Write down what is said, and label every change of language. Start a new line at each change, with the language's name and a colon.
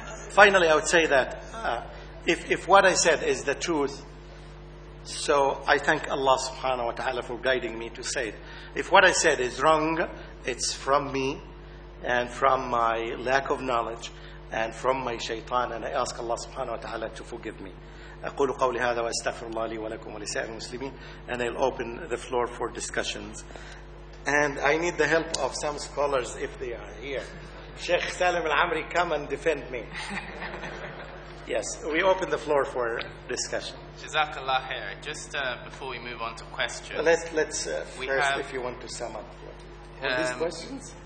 English: Finally, I would say that if what I said is the truth, so I thank Allah subhanahu wa ta'ala for guiding me to say it. If what I said is wrong, it's from me and from my lack of knowledge and from my shaitan, and I ask Allah subhanahu wa ta'ala to forgive me.
Arabic: أقول قولي هذا وأستغفر الله لي ولكم ولسائر المسلمين.
English: And I'll open the floor for discussions. And I need the help of some scholars if they are here. Sheikh Salim Al-Amri, come and defend me. Yes, we open the floor for discussion. Jazakallah khair. Just before we move on to questions. If you want to sum up. These questions?